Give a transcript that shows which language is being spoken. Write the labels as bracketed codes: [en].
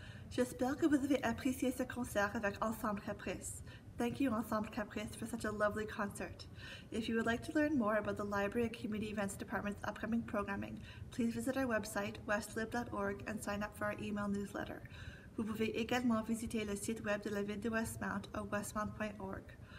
[fr] J'espère que vous avez apprécié ce concert avec Ensemble Caprice. [en] Thank you, Ensemble Caprice, for such a lovely concert. If you would like to learn more about the Library and Community Events Department's upcoming programming, please visit our website, westlib.org, and sign up for our email newsletter. [fr] Vous pouvez également visiter le site web de la Ville de Westmount au westmount.org.